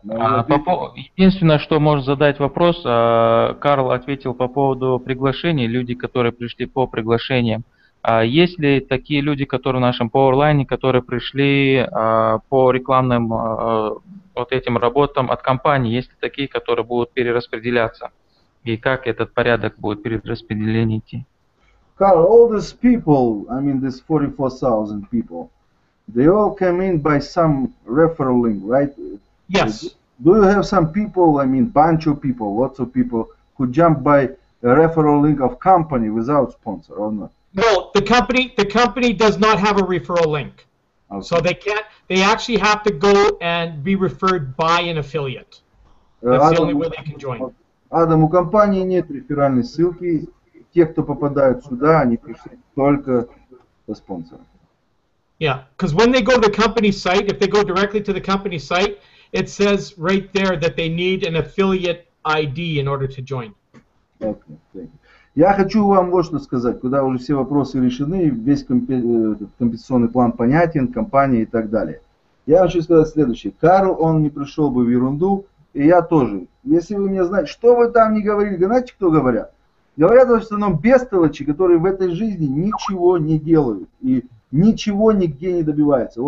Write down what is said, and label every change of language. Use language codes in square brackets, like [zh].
[ru] единственное, что можно задать вопрос, Карл ответил по поводу приглашений, люди, которые пришли по приглашениям. А есть ли такие люди, которые в нашем Powerline, которые пришли по рекламным вот этим работам от компании, есть ли такие, которые будут перераспределяться? И как этот порядок будет перераспределение идти? [en] Карл, all these people, I mean these 44,000 people, they all came in by some referral link, right? Yes. Do you have some people, I mean bunch of people, lots of people who jump by a referral link of company without sponsor or not? No, the company does not have a referral link. Okay. So they actually have to go and be referred by an affiliate. That's Adam, the only way they can join. [ru] Адам, у компании нет реферальной ссылки. Те, кто попадают сюда, они пришли только по спонсору. [en] Yeah, because when they go to the company site, if they go directly to the company site, it says right there that they need an affiliate ID in order to join. Okay. [ru] Я хочу вам вот что сказать, когда уже все вопросы решены, весь компенсационный план понятен, компания и так далее. Я хочу сказать следующее. Карл, он не пришел бы в ерунду, и я тоже. Если вы мне знаете, что вы там не говорили, знаете, кто говорят? Говорят в основном бестолочи, которые в этой жизни ничего не делают и ничего нигде не добиваются.